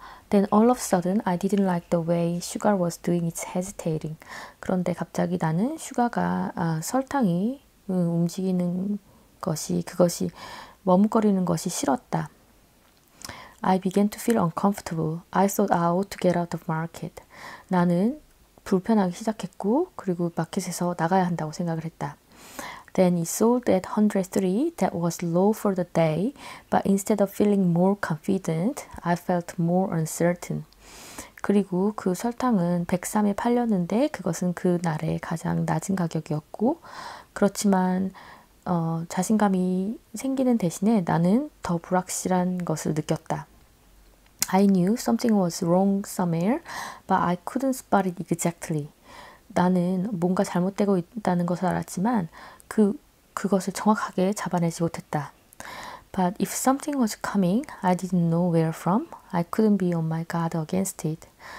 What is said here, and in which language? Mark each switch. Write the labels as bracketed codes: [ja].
[en] Then all of a sudden, I didn't like the way sugar was doing its hesitating. [ko] 그런데 갑자기 나는 설탕이 움직이는 것이 그것이 머뭇거리는 것이 싫었다. [en] I began to feel uncomfortable. I thought I ought to get out of market. [ko] 나는 불편하게 시작했고 그리고 마켓에서 나가야 한다고 생각을 했다. [en] Then it sold at 103. That was low for the day. But instead of feeling more confident, I felt more uncertain. [ko] 그리고 그 설탕은 103에 팔렸는데 그것은 그 날의 가장 낮은 가격이었고 그렇지만 자신감이 생기는 대신에 나는 더 불확실한 것을 느꼈다. [en] I knew something was wrong somewhere, but I couldn't spot it exactly. [ko] 나는 뭔가 잘못되고 있다는 것을 알았지만 그것을 정확하게 잡아내지 못했다. [en] But if something was coming, I didn't know where from. I couldn't be on my guard against it.